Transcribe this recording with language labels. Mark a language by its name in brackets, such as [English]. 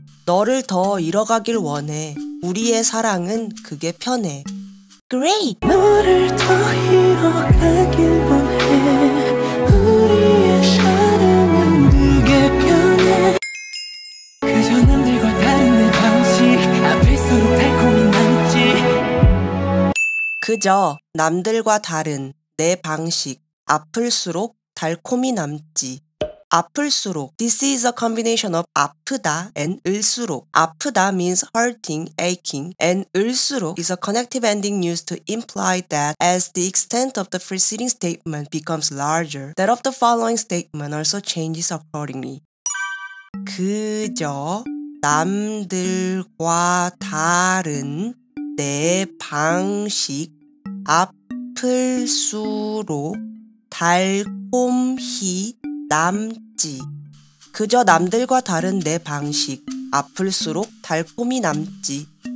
[Korean] 너를 더 잃어가길 원해 우리의 사랑은 그게 편해 [English] Great! [Korean] 너를 더 잃어가길 원해 우리의 사랑은 그게 편해 그저 남들과 다른 내 방식 앞일수록 달콤한 남지 그저 남들과 다른 내 방식 아플수록 달콤이 남지 [English] 아플수록 This is a combination of 아프다 and 을수록 아프다 means hurting, aching and 을수록 is a connective ending used to imply that as the extent of the preceding statement becomes larger that of the following statement also changes accordingly [Korean] 그저 남들과 다른 내 방식 아플수록 달콤히 남지 그저 남들과 다른 내 방식 아플수록 달콤이 남지